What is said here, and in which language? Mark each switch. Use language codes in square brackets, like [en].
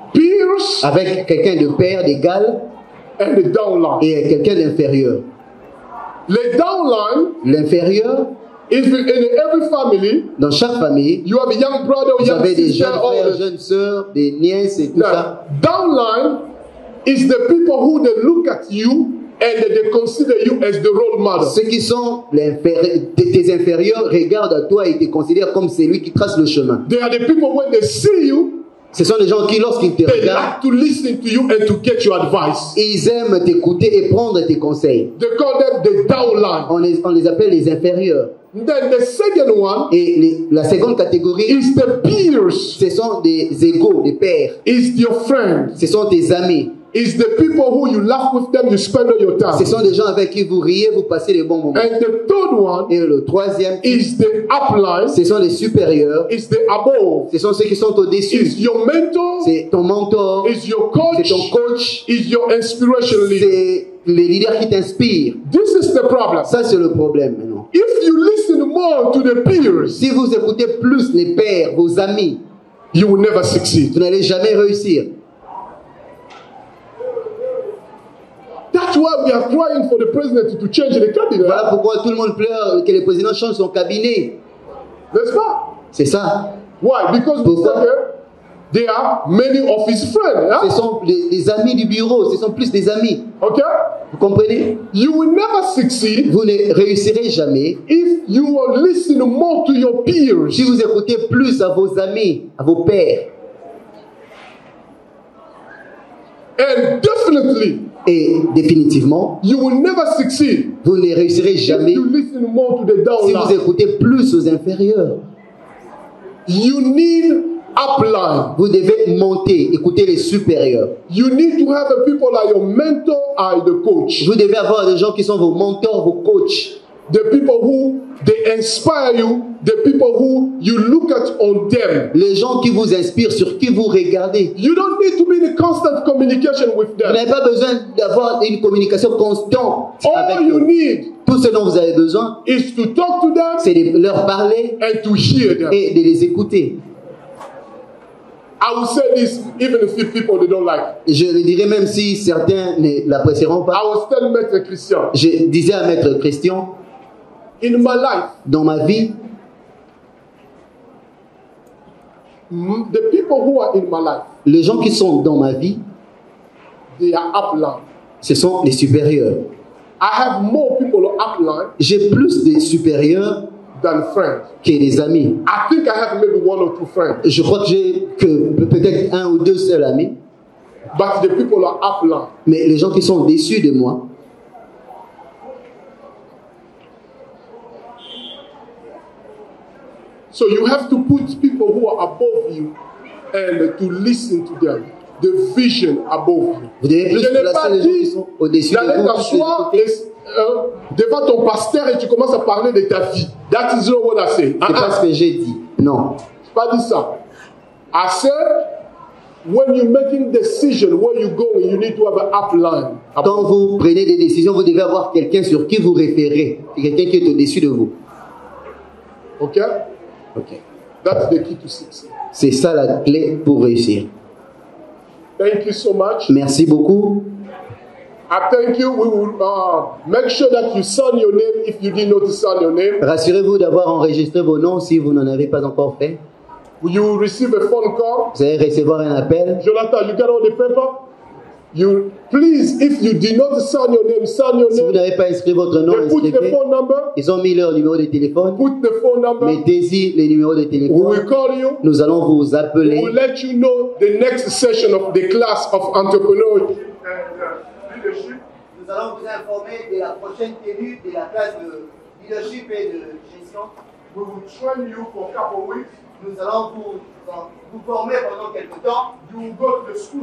[en] Peers, [fr] avec quelqu'un de pair, d'égal, [en] and the downline, [fr] et quelqu'un d'inférieur. Le downline, l'inférieur, [en] in every family, [fr] dans chaque famille, [en] you have a young brother, [fr] vous avez des jeunes frères, des jeunes sœurs, des nièces et tout. [en] Now, [fr] ça. [en] Downline is the people who they look at you and they consider you as the role model. [fr] Ceux qui sont tes inférieurs regardent à toi et te considèrent comme celui qui trace le chemin. [en] They are the people when they see you. [fr] Ce sont les gens qui, lorsqu'ils te regardent, [en] like [fr] ils aiment t'écouter et prendre tes conseils. [en] They call them the downline. [fr] On les appelle les inférieurs. [en] Then the second one, [fr] et la seconde catégorie, [en] is the peers. [fr] Ce sont des égaux, des pères. [en] Is your friend. [fr] Ce sont tes amis. [en] Is the people who you laugh with them, you spend all your time. [fr] Ce sont des gens avec qui vous riez, vous passez les bons moments. [en] And the third one, [fr] et le troisième, [en] is the upline. [fr] Ce sont les supérieurs. [en] Is the above. [fr] Ce sont ceux qui sont au-dessus. [en] Is your mentor. [fr] C'est ton mentor. [en] Is your coach. [fr] C'est ton coach. [en] Is your inspiration leader. [fr] C'est les leaders qui t'inspirent. [en] This is the problem. [fr] Ça c'est le problème maintenant. [en] If you listen more to the peers, [fr] si vous écoutez plus les pères, vos amis, [en] you will never succeed. [fr] Vous n'allez jamais réussir. [en] That's why we are crying for the president to change the cabinet. [fr] Voilà pourquoi tout le monde pleure que le président change son cabinet. N'est-ce pas? C'est ça. [en] Why? Because [fr] pourquoi? [en] They are many of his friends. Yeah? [fr] Ce sont les amis du bureau. Ce sont plus des amis. [en] Okay. [fr] Vous comprenez? [en] You will never succeed. [fr] Vous ne réussirez jamais. [en] If you will listen more to your peers. [fr] Si vous écoutez plus à vos amis, à vos pairs. [en] And definitely. [fr] Et définitivement. [en] You will never succeed. [fr] Vous ne réussirez jamais. [en] If you listen more to the downline. [fr] Si vous écoutez plus aux inférieurs. [en] You need. Upline. [fr] Vous devez monter, écouter les supérieurs. [en] You need to have people like your mentor or the coach. [fr] Vous devez avoir des gens qui sont vos mentors, vos coachs. [en] The people who they inspire you, the people who you look at on them. [fr] Les gens qui vous inspirent, sur qui vous regardez. [en] You don't need to be in constant communication with them. [fr] Vous n'avez pas besoin d'avoir une communication constante avec eux. [en] All you need. [fr] Tout ce dont vous avez besoin. [en] Is to talk to them. [fr] C'est de leur parler. [en] And to hear them. [fr] Et de les écouter. [en] I will say this even if people they don't like. [fr] Je le dirai même si certains ne l'apprécieront pas. [en] I will tell Maître Christian. [fr] Je disais à Maître Christian. [en] In my life. [fr] Dans ma vie. [en] The people who are in my life. [fr] Les gens qui sont dans ma vie. [en] They are upline. [fr] Ce sont les supérieurs. [en] I have more people upline. [fr] J'ai plus de supérieurs. [en] Than friends. [fr] Que des amis. [en] I think I have maybe one or two friends. [fr] Je crois que j'ai que peut-être un ou deux seuls amis. [en] But the people are upline. [fr] Mais les gens qui sont déçus de moi. [en] So you have to put people who are above you and to listen to them. The vision above you. [fr] Vous devez plus placer les gens au-dessus de vous. Devant ton pasteur et tu commences à parler de ta vie. [en] That is not what I say. [fr] C'est pas ce que j'ai dit. Non. J'ai pas dit ça. [en] I said when you making decision where you go, you need to have an upline. [fr] Quand vous prenez des décisions, vous devez avoir quelqu'un sur qui vous référez, quelqu'un qui est au-dessus de vous. [en] Okay. Okay. That's the key to success. [fr] C'est ça la clé pour réussir. [en] Thank you so much. [fr] Merci beaucoup. [en] I thank you. We will make sure that you sign your name if you did not sign your name. [fr] Rassurez-vous d'avoir enregistré vos noms si vous n'en avez pas encore fait. [en] Will you receive a phone call? [fr] Vous allez recevoir un appel. [en] Jonathan, you got all the paper? You please, if you did not sign your name, sign your [fr] si [en] name. [fr] Si vous n'avez pas inscrit votre nom, inscrivez. [en] Put the phone number. [fr] Ils ont mis leur numéro de téléphone. [en] Put the phone number. [fr] Mettez-y les numéros de téléphone. [en] We will call you. [fr] Nous allons vous appeler. [en] We will let you know the next session of the class of entrepreneurs. [fr] Nous allons vous informer de la prochaine tenue de la classe de leadership et de gestion.